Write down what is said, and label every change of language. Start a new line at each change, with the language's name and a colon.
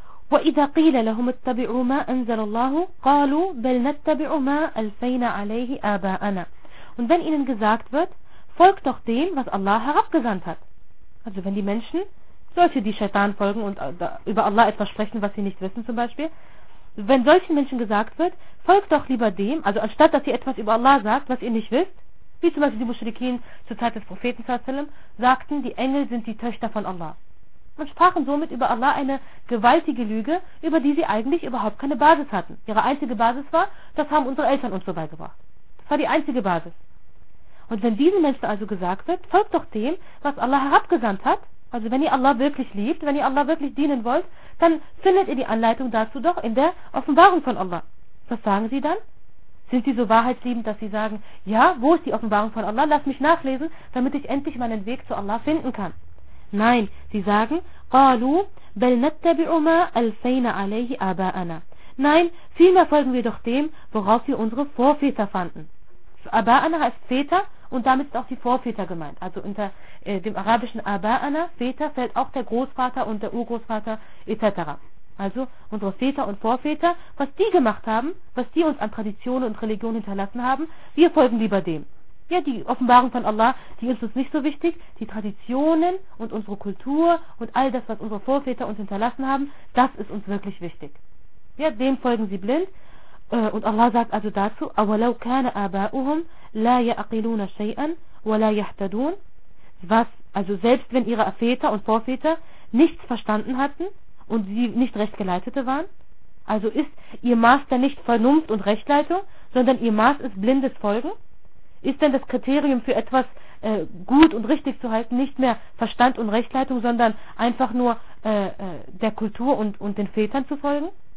Arabic: وإذا قيل لهم اتبعوا ما أنزل الله قالوا بل نتبع ما ألفينا عليه آباءنا.
German: Und wenn ihnen gesagt wird, folgt doch dem, was Allah herabgesandt hat. Also wenn die Menschen, solche die Shaitan folgen und über Allah etwas sprechen, was sie nicht wissen zum Beispiel, wenn solchen Menschen gesagt wird, folgt doch lieber dem, also anstatt dass ihr etwas über Allah sagt, was ihr nicht wisst, wie zum Beispiel die Mushrikin zur Zeit des Propheten s.a.w. sagten, die Engel sind die Töchter von Allah. Und sprachen somit über Allah eine gewaltige Lüge, über die sie eigentlich überhaupt keine Basis hatten. Ihre einzige Basis war, das haben unsere Eltern uns so beigebracht. Das war die einzige Basis. Und wenn diesen Menschen also gesagt wird, folgt doch dem, was Allah herabgesandt hat, also wenn ihr Allah wirklich liebt, wenn ihr Allah wirklich dienen wollt, dann findet ihr die Anleitung dazu doch in der Offenbarung von Allah. Was sagen sie dann? Sind sie so wahrheitsliebend, dass sie sagen, ja, wo ist die Offenbarung von Allah? Lass mich nachlesen, damit ich endlich meinen Weg zu Allah finden kann. Nein, sie sagen,
Arabic: قالوا بل نتبع ما ألفينا عليه آباءنا.
German: Nein, vielmehr folgen wir doch dem, worauf wir unsere Vorväter fanden. آباءنا heißt Väter und damit ist auch die Vorväter gemeint. Also unter dem arabischen آباءنا, Väter, fällt auch der Großvater und der Urgroßvater etc. Also unsere Väter und Vorväter, was die gemacht haben, was die uns an Traditionen und Religion hinterlassen haben, wir folgen lieber dem. Ja, die Offenbarung von Allah, die ist uns nicht so wichtig. Die Traditionen und unsere Kultur und all das, was unsere Vorväter uns hinterlassen haben, das ist uns wirklich wichtig. Ja, dem folgen sie blind. Und Allah sagt also dazu,
Arabic: أَوَلَوْ كَانَ آبَاؤُهُمْ لَا يَعْقِلُونَ شَيْئًا وَلَا يَحْتَدُونَ.
German: Was, also selbst wenn ihre Väter und Vorväter nichts verstanden hatten und sie nicht Rechtgeleitete waren, also ist ihr Maß dann nicht Vernunft und Rechtleitung, sondern ihr Maß ist blindes Folgen? Ist denn das Kriterium für etwas gut und richtig zu halten nicht mehr Verstand und Rechtleitung, sondern einfach nur der Kultur und den Vätern zu folgen?